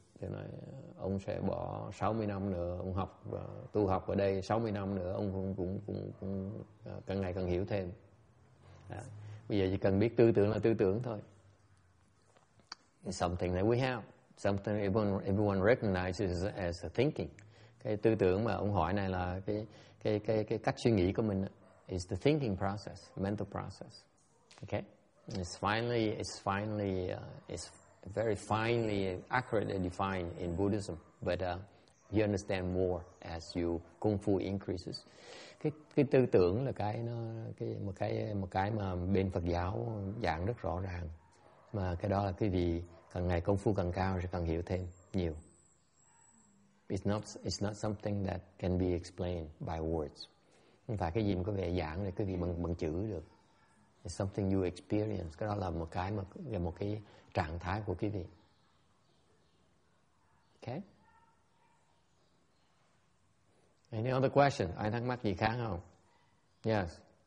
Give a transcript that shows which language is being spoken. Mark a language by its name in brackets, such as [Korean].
[Vietnamese] Thì nói ông sẽ bỏ 60 năm nữa ông học tu học ở đây 60 năm nữa ông cũng càng ngày càng hiểu thêm. Bây giờ chỉ cần biết tư tưởng là tư tưởng thôi. [English] It's something that we have, something everyone recognizes as a thinking. [Vietnamese] Cái tư tưởng mà ông hỏi này là cái cách suy nghĩ của mình đó. [English] Is the thinking process, mental process. Okay? It's very finely accurately defined in Buddhism, but you understand more as you kung fu increases. [Vietnamese] Cái tư tưởng là cái nó cái một cái mà bên Phật giáo giảng rất rõ ràng. Mà cái đó là cái gì càng ngày công phu càng cao sẽ càng hiểu thêm nhiều. [English] It's not something that can be explained by words. [Vietnamese] Và cái gì mà có vẻ giảng là cái gì bằng chữ được. [English] It's something you experience. [Vietnamese] Cái đó là một cái mà là một cái trạng thái của cái gì. [English] Okay. Any other question? [Vietnamese] Ai thắc mắc gì khác không? Yes.